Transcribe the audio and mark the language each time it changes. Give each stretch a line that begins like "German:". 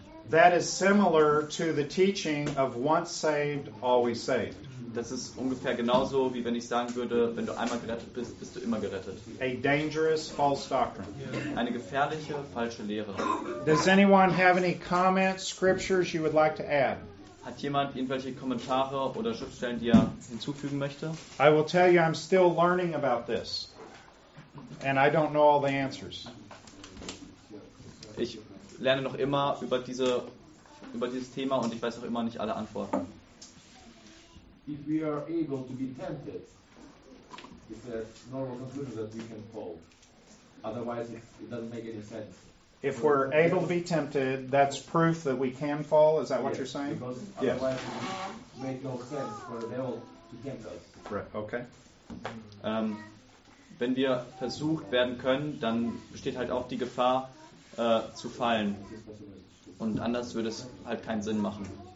English: That is similar to the teaching of once saved, always saved.
German: Das ist ungefähr genauso, wie wenn ich sagen würde, wenn du einmal gerettet bist, bist du immer gerettet.
English: A dangerous false doctrine.
German: Eine gefährliche, falsche Lehre.
English: Does anyone have any comments, scriptures you would like to add?
German: Hat jemand irgendwelche Kommentare oder Schriftstellen, die er hinzufügen möchte?
English: I will tell you, I'm still learning about this. And I don't know all the answers.
German: Ich lerne noch immer über dieses Thema und ich weiß noch immer nicht alle Antworten.
English: If we are able to be tempted, it's a normal conclusion that we can fall. Otherwise, it doesn't make any sense. If we're able to be tempted, that's proof that we can fall? Is that what you're saying? Because otherwise, it would make no sense for the devil to tempt us. Right, okay.
German: Wenn wir versucht werden können, dann besteht halt auch die Gefahr, zu fallen. Und anders würde es halt keinen Sinn machen.